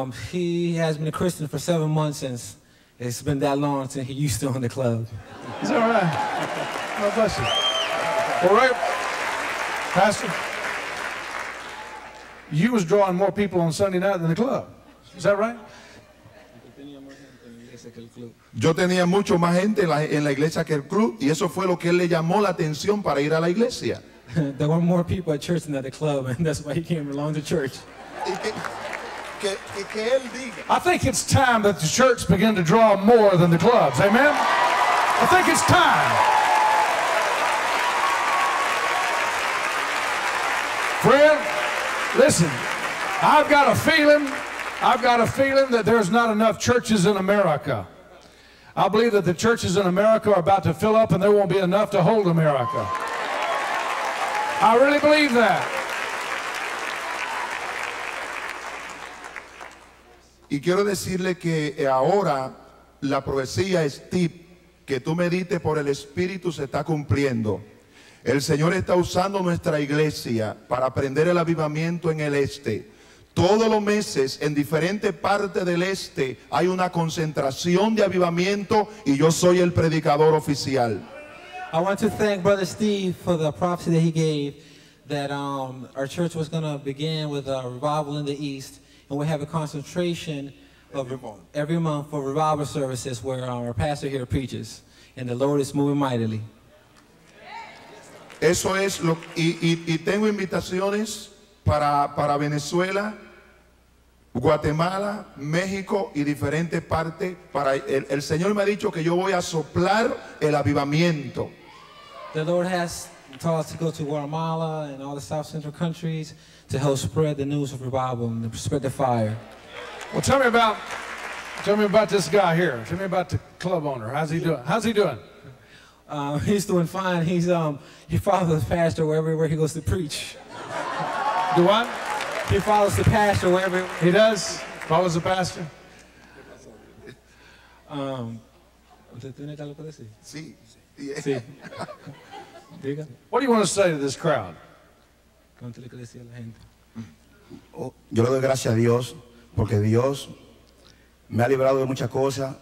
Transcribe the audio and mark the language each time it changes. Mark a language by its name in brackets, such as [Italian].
[English] He has been a Christian for 7 months, since it's been that long since he used to own the club. Is that right? God bless you. All right, Pastor, you was drawing more people on Sunday night than the club. Is that right? [Spanish] Yo tenía mucho más gente en la iglesia que el club, y eso fue lo que él le llamó la atención para ir a la iglesia. [English] There were more people at church than at the club, and that's why he came along to church. I think it's time that the church begin to draw more than the clubs. Amen? I think it's time. Friend, listen, I've got a feeling that there's not enough churches in America. I believe that the churches in America are about to fill up and there won't be enough to hold America. I really believe that. [Spanish] Y quiero decirle que ahora la profecía Steve, que tú medites por el Espíritu, se está cumpliendo. El Señor está usando nuestra iglesia para prender el avivamiento en el este. Todos los meses en diferentes partes del este hay una concentración de avivamiento y yo soy el predicador oficial. [English] I want to thank Brother Steve for the prophecy that he gave that our church was going to begin with a revival in the east, and we have a concentration of every month for revival services where our pastor here preaches, and the Lord is moving mightily. [Spanish] Eso es lo y tengo invitaciones para Venezuela, Guatemala, México y diferentes partes. Para el Señor me ha dicho que yo voy a soplar el avivamiento. [English] The Lord has told us to go to Guatemala and all the South Central countries to help spread the news of revival and to spread the fire. Well, tell me about this guy here. Tell me about the club owner. How's he doing? He's doing fine. He follows the pastor wherever he goes to preach. Do what? He follows the pastor wherever he does. Follows the pastor. [Spanish] ¿Tiene algo que decir? Sí. Sí. Diga. [English] What do you want to say to this crowd? [Spanish] Cuéntale que decía la gente. Yo le doy gracias a Dios porque Dios me ha librado de muchas cosas.